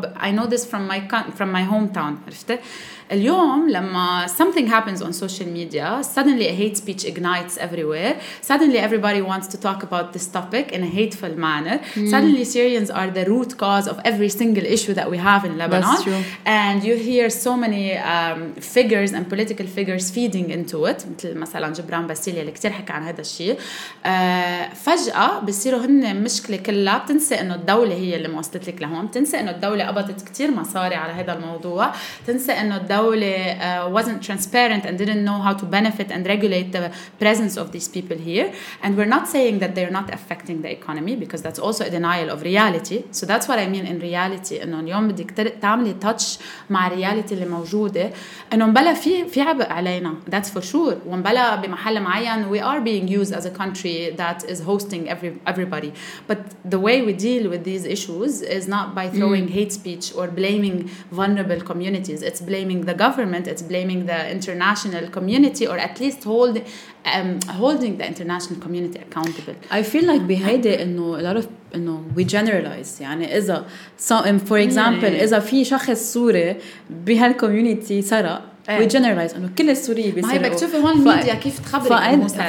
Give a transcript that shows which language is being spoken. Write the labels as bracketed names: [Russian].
[English] I know this from my hometown. [Arabic] عرفت؟ اليوم لما [English] something happens on social media, suddenly a hate speech ignites everywhere. Suddenly everybody wants to talk about this topic in a hateful manner. Suddenly Syrians are the root cause of every single issue that we have in Lebanon. That's true. And you hear so many figures and political figures feeding into it. [Arabic] مثل مثلاً جبران باسيليا اللي كتير حكى عن هذا الشيء. فجأة بصيروا هن مشكلة كلها. بتنسى إنه الدولة هي اللي ما وصلت لك لهم. تنسى إنه الدولة قبضت كتير مصاري على هذا الموضوع. تنسى إنه الدولة [English] wasn't transparent and didn't know how to benefit and regulate the presence of these people here. And we're not saying that they're not affecting the economy, because that's also a denial of reality. So that's what I mean in reality. [Arabic] إنه اليوم بدك تعملي touch مع reality اللي موجودة. إنه بلا في عبء علينا. [English] That's for sure. [Arabic] ومبلا بمحل معين, [English] we are being used as a country that is hosting everybody. But the way we deal with these issues is not by throwing hate speech or blaming vulnerable communities. It's blaming the government. It's blaming the international community, or at least holding the international community accountable. I feel like behind it, a lot of we generalize. [Arabic] يعني إذا [English] for example, [Arabic] إذا في شخص سوري بهالcommunity سرق, [English] we generalize [Arabic] انه كل السوري بيسرقوا. ما هي بكتشوف هون الميديا كيف تخبرك انه سرق.